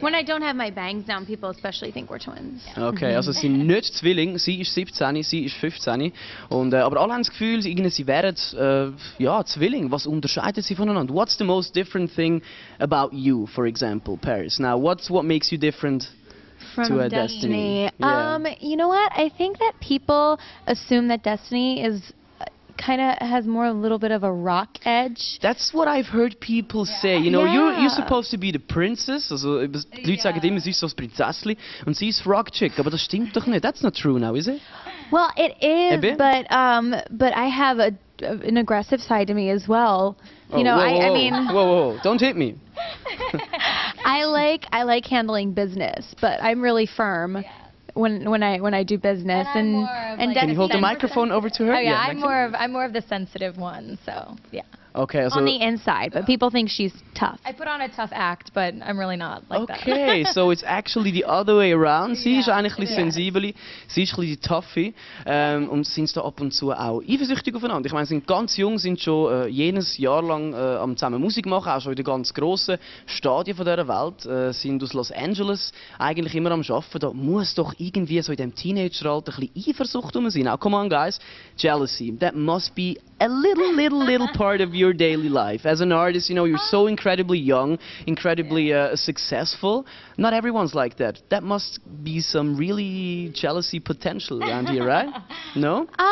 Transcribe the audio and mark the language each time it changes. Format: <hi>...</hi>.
<en>When I don't have my bangs down, people especially think we're twins. Yeah.</en> <de>Okay, also sie sind nicht Zwilling. Sie ist 17, sie ist 15. Und aber alle haben das Gefühl, sie wären Zwilling. Was unterscheidet sie voneinander?</de> <en>What's the most different thing about you, for example, Paris? Now, what makes you different from to a Destinee? Yeah. You know what? I think that people assume that Destinee is kind of has more a little bit of a rock edge. That's what I've heard people say. You know, you're supposed to be the princess.</en> <de>Also, Leute sagen immer, sie ist so das Prinzessli und sie ist rock chick. Aber das stimmt doch nicht.</de> <en>That's not true now, is it? Well, it is, but I have an aggressive side to me as well. Oh, you know, I mean... Whoa, don't hit me. I like handling business, but I'm really firm. Yeah. When I do business and like can you hold the microphone over to her? Oh yeah, I'm more of the sensitive one, so yeah. Okay, so on the inside, but people think she's tough. I put on a tough act, but I'm really not like okay, that. Okay, so it's actually the other way around.</en> <de>Sie ist eigentlich sensibel, sie ist ein toughy und sind da ab und zu auch eifersüchtig aufeinander. Ich meine, sind ganz jung, sind schon jenes Jahr lang am zusammen Musik machen, auch schon in der ganz grossen Stadien von dieser Welt, sind aus Los Angeles eigentlich immer am Arbeiten. Da muss doch irgendwie so in diesem Teenager-Alter ein bisschen Eifersucht rum sein.</de> <en>Now, come on, guys, jealousy, that must be a little part of your daily life. As an artist, you know, you're so incredibly young, incredibly successful. Not everyone's like that. That must be some really jealousy potential around here, right? No?</en>